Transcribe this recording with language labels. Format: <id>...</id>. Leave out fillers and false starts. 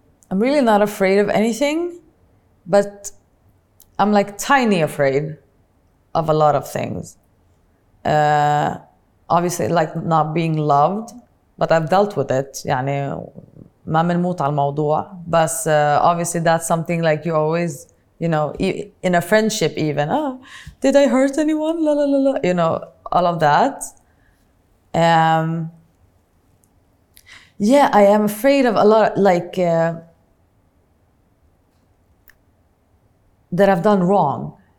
<en>I'm really not afraid of anything, but I'm like tiny afraid of a lot of things. Obviously, like not being loved, but I've dealt with it.</en> <ar>يعني ما منموت على الموضوع.</ar> <en>But obviously that's something like you always, you know, in a friendship even, did I hurt anyone? La la la la. You know, all of that. Yeah, I am afraid of a lot, like, that I've done wrong.</en>